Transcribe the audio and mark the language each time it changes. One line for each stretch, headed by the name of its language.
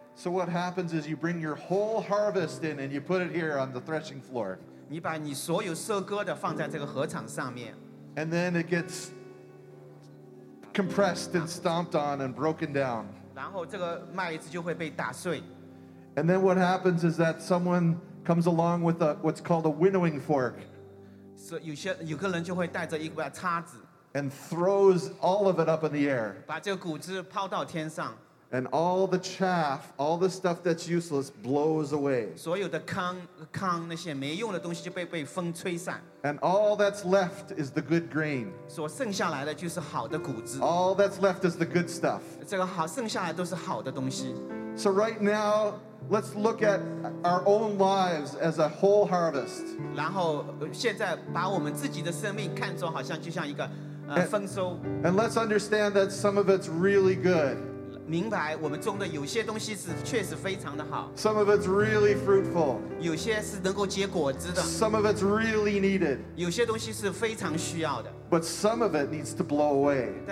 English: So what happens is you bring your whole harvest in and you put it here on the threshing floor.
Chinese: 你把你所有收割的放在这个禾场上面。
English: And then it gets compressed and stomped on and broken down.
Chinese: 然后这个麦子就会被打碎。
English: And then what happens is that someone comes along with what's called a winnowing fork.
Chinese: So 有个人就会带着一把叉子。
English: And throws all of it up in the air.
Chinese: 把这个谷子抛到天上。
English: And all the chaff, all the stuff that's useless, blows away.
Chinese: 所有的糠，那些没用的东西就被风吹散。
English: And all that's left is the good grain.
Chinese: 所剩下来的就是好的谷子。
English: All that's left is the good stuff.
Chinese: 这个好，剩下来都是好的东西。
English: So right now, let's look at our own lives as a whole harvest.
Chinese: 然后现在把我们自己的生命看作好像就像一个。
English: And let's understand that some of it's really good. Some of it's really fruitful. Some of it's really needed. But some of it needs to blow away.